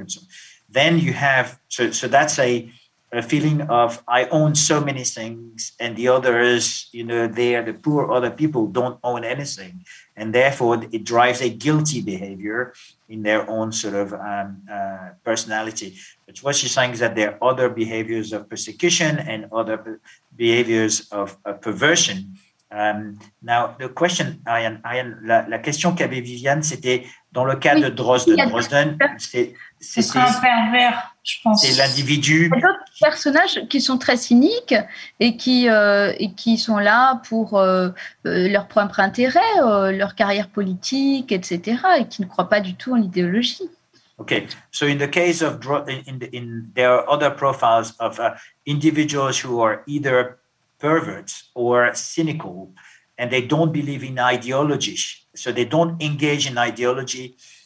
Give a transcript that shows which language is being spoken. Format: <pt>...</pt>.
<en>And so then you have, so that's a feeling of I own so many things and the others, you know, they're the poor other people don't own anything. And therefore it drives a guilty behavior in their own sort of personality. But what she's saying is that there are other behaviors of persecution and other behaviors of perversion. Now, the question,</en> <fr>Ariane, la question qu'avait Viviane, c'était dans le cas de Drosden. Drosden, c'est un pervers, je pense. C'est l'individu. Il y a d'autres personnages qui sont très cyniques et qui sont là pour leur propre intérêt, leur carrière politique, etc., et qui ne croient pas du tout en l'idéologie.</fr> <en>Okay, so in the case of there are other profiles of individuals who are either perverts or cynical, and they don't believe in ideology, so they don't engage in ideology.</en>